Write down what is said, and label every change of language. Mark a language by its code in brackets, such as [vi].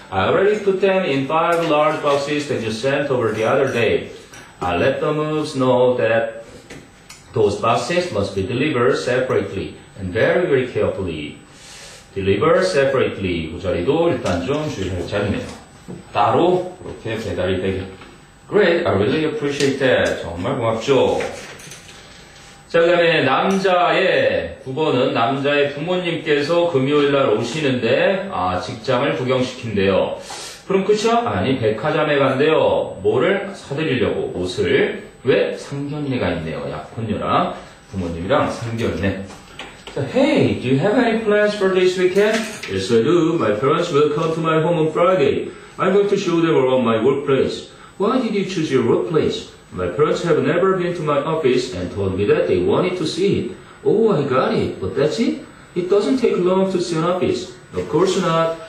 [en] I already put them in 5 large boxes that you sent over the other day. I let the moves know that those boxes must be delivered separately and very very carefully. Deliver separately. [ko] 그 자리도 일단 좀 주의할 자리네요. 따로 이렇게 배달이 되게. [en] Great, I really appreciate that. [ko] 정말 고맙죠. 자, 그 다음에 남자의 9번은 남자의 부모님께서 금요일날 오시는데 아 직장을 구경시킨대요. 그럼 끝이야? 아니 백화점에 간대요. 뭐를 사드리려고 옷을. 왜? 상견례가 있네요. 약혼녀랑 부모님이랑 상견례. [en] 자, Hey, do you have any plans for this weekend? Yes, I do. My parents will come to my home on Friday. I'm going to show them around my workplace. Why did you choose your workplace? My parents have never been to my office and told me that they wanted to see it. Oh, I got it. But that's it? It doesn't take long to see an office. Of course not.